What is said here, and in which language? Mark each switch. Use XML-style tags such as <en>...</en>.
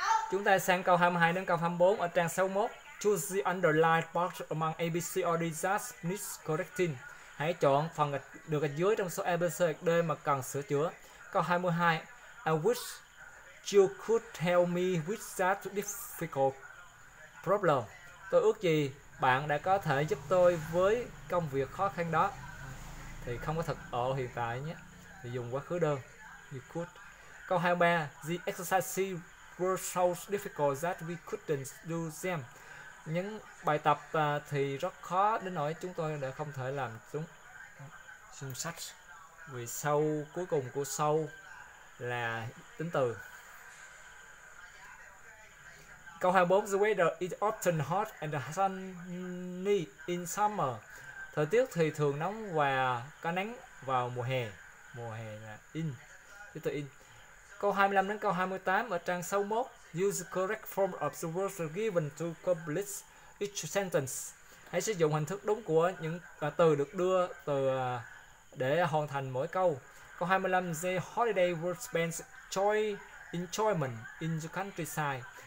<vi>Chúng ta sang câu 22 đến câu 24 ở trang 61.</vi> <en>Choose the underlined box among ABC or D that needs correcting.</en> <vi>Hãy chọn phần được ở dưới trong số ABC D mà cần sửa chữa. Câu 22.</vi> <en>I wish you could help me with that difficult problem.</en> <vi>Tôi ước gì bạn đã có thể giúp tôi với công việc khó khăn đó. Thì không có thật ở hiện tại nhé. Thì dùng quá khứ đơn.</vi> <en>You could.</en> <vi>Câu 23.</vi> <en>The exercise were so difficult that we couldn't do them.</en> <vi>Những bài tập thì rất khó đến nỗi chúng tôi đã không thể làm chúng. Sinh vì sâu cuối cùng của sâu là tính từ. Câu 24. The weather is often hot and sunny in summer. Thời tiết thì thường nóng và có nắng vào mùa hè. Mùa hè là in. Tính từ in. Câu 25 đến câu 28 ở trang 61.</vi> <en>Use the correct form of the words given to complete each sentence.</en> <vi>Hãy sử dụng hình thức đúng của những từ được đưa từ để hoàn thành mỗi câu. Câu 25.</vi> <en>The holiday was spent joy enjoyment in the countryside.</en>